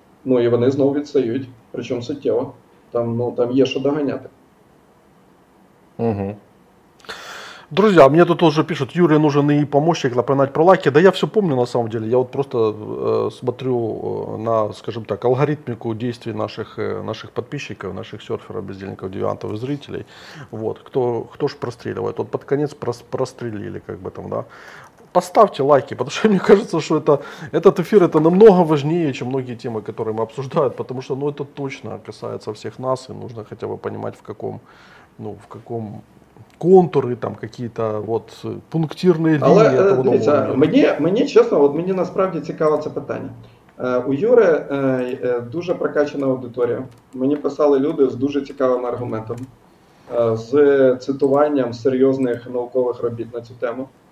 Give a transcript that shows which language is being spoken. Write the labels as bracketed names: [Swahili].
[Ukrainian] Ну і вони знову відстають, причому суттєво. Там, ну, там є що доганяти. Угу. [Russian] Друзья, мне тут тоже пишут, Юре нужен и помощник напоминать про лайки. Да я все помню на самом деле. Я вот просто смотрю на, скажем так, алгоритмику действий наших подписчиков, наших серферов, бездельников, девиантов и зрителей. Вот. Кто ж простреливает? Вот под конец прострелили, как бы там, да. Поставьте лайки, потому что мне кажется, что этот эфир это намного важнее, чем многие темы, которые мы обсуждаем, потому что ну, это точно касается всех нас, и нужно хотя бы понимать, в каком контури, там какие-то вот пунктирные линии. [Ukrainian] Але, дивіться, мені чесно, от мені насправді цікаво це питання. У Юри дуже прокачана аудиторія. Мені писали люди з дуже цікавим аргументом, з цитуванням серйозних наукових робіт на цю тему.